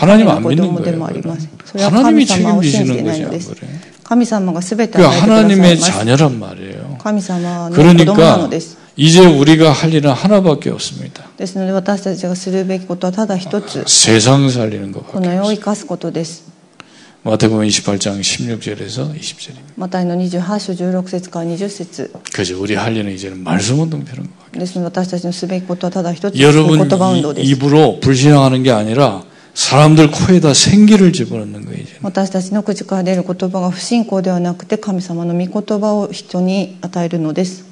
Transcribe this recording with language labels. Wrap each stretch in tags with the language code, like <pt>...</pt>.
<ko>하나님안믿는거예요。 하나님이책임지시는것이아니에요。</ko> <ja>神様がすべて</ja> <ko>하나님의자녀란말이에요。</ko> <ja>神様の子供なのです。</ja> <ko>그러니까이제우리가할일은하나밖에없습니다。</ko> <ja>ですので私たちがするべきことはただ一つ。</ja> <ko>세상살리는것밖에。</ko> <ja>この世を生かすことです。</ja> <ko>마태복음28장16절에서20절입니다。</ko> <ja>マタイの28章16節から20節。</ja> <ko>그죠？ 우리할일은이제는말씀운동되는것같아요。</ko> <ja>ですので私たちのすべきことはただ一つ。</ja> <ko>여러분입으로불신앙하는게아니라사람들코에다생기를집어넣는거예요이제</ko> <ja>私たちの口から出る言葉が不信仰ではなくて神様の御言葉を人に与えるのです。</ja>